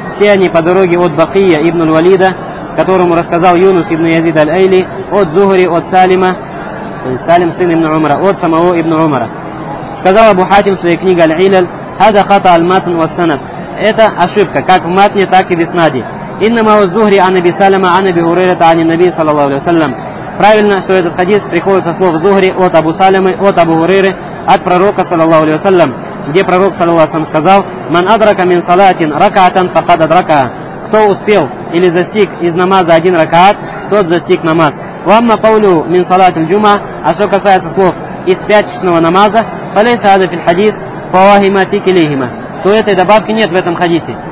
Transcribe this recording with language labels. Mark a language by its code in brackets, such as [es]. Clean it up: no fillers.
[ru] Все они по дороге от Бакия ибн Валида, которому рассказал Юнус ибн Язид аль-Айли, от Зухри, от Салима, то есть Салим сын ибн Умара, от самого ибн Умара. Сказал Абу Хатим в своей книге аль-Илал, «Хада хата аль-Матн вас-Санад». Это ошибка, как в Матне, так и в Иснаде. [ar] إنما هو الزهري عن أبي سلمة عن أبي هريرة عن النبي صلى الله عليه وسلم. [ru] Правильно, что этот хадис приходит со слов Зухри от Абу Салемы, от Абу Хуриры, от пророка صلى الله عليه وسلم, где пророк صلى الله عليه وسلم сказал: [ar] من أدرك من صلاة ركعة فقد أدرك. [ru] Кто успел или застиг из намаза один ракаат, тот застиг намаз. [ar] وأما قوله من صلاة الجمعة, [ru] а что касается слов из пятничного намаза, [ar] فليس هذا في الحديث فواهما تكليهما, [ru] то этой добавки нет в этом хадисе.